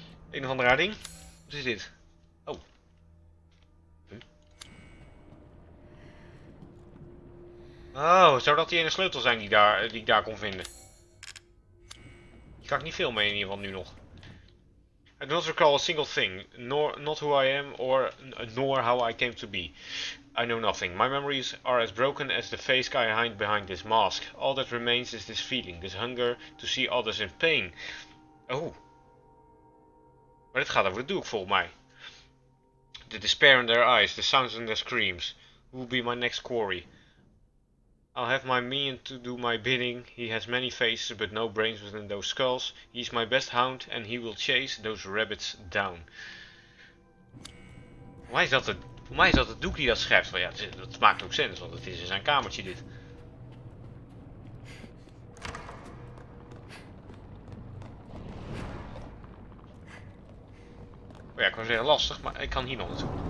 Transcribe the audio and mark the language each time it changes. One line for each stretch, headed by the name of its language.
Dutch: Een of andere ding. Wat is dit? Oh. Huh? Oh, zou dat die ene sleutel zijn die ik daar kon vinden? Die kan ik niet veel mee in ieder geval nu nog.
English: I do not recall a single thing, not who I am, nor how I came to be. I know nothing. My memories are as broken as the face I hide behind this mask. All that remains is this feeling, this hunger to see others in pain. Oh.
Dutch: Maar dit gaat over de doek, volgens mij.
English: The despair in their eyes, the sounds in their screams. Who will be my next quarry? I'll have my minion to do my bidding. He has many faces, but no brains within those skulls. He's my best hound, and he will chase those rabbits down.
Dutch: Voor mij is dat het doek die dat schept. Ja, dat maakt ook zin, want het is in zijn kamertje dit. Oh ja, ik wou zeggen lastig, maar ik kan hier nog naartoe.